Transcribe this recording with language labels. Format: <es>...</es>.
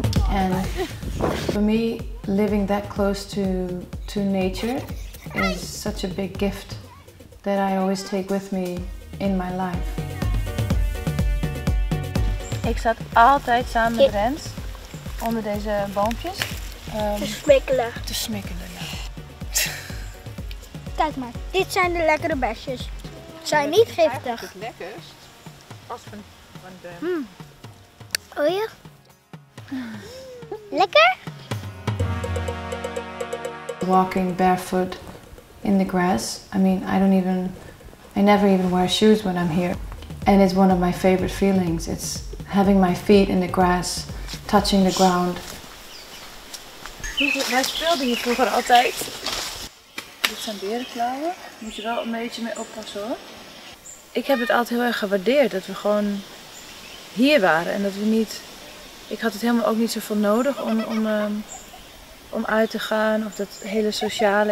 <en>And for me, living that close to nature is such a big gift that I always take with me in my life.</en> <nl>Ik zat altijd samen met Rens onder deze boompjes. Te smikkelen, ja. Kijk maar, dit zijn de lekkere besjes. Ze zijn niet giftig. Het lekkerst als van de... Oh ja. Lekker?</nl> <en>Walking barefoot in the grass. I mean, I never even wear shoes when I'm here. And it's one of my favorite feelings. It's having my feet in the grass, touching the ground.</en> <nl>Wij speelden hier vroeger altijd. Dit zijn berenklauwen. Moet je wel een beetje mee oppassen hoor. Ik heb het altijd heel erg gewaardeerd dat we gewoon hier waren en dat we niet... Ik had het helemaal ook niet zoveel nodig om uit te gaan of dat hele sociale.</nl>